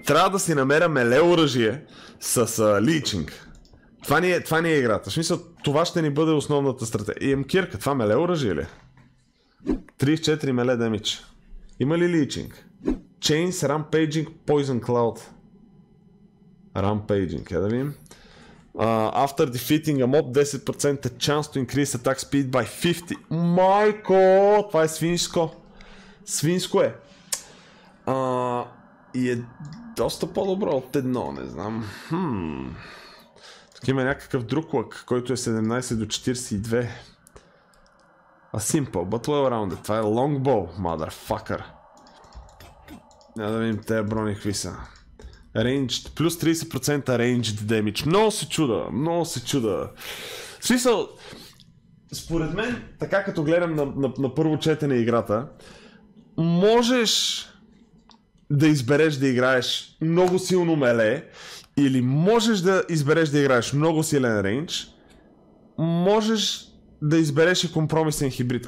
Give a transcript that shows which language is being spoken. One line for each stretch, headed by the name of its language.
Bulgarian: Трябва да си намеря меле оръжие с личинг. Това ни е играта. В смисъл, това ще ни бъде основната стратегия. И емкирка, това меле оръжие ли? 3-4 меле демидж. Има ли личинг? Chains, Rampaging, Poison Cloud. Rampaging, я да видим.
English: After defeating a mob, 10% chance to increase attack speed by 50.
Bulgarian: Майко, това е свинско. Свинско е. И е доста по-добро от едно, не знам. Тук има някакъв друг лък, който е 17 до 42.
English: A simple, but well rounded.
Bulgarian: Това е longbow, motherfucker. Няма да видим тези брони хвиса.
English: Ranged, плюс 30% ranged damage.
Bulgarian: Много се чуда, много се чуда. В смисъл, според мен, така като гледам на първо четене играта, можеш да избереш да играеш много силно меле, или можеш да избереш да играеш много силен range, можеш да избереш и компромисен хибрид.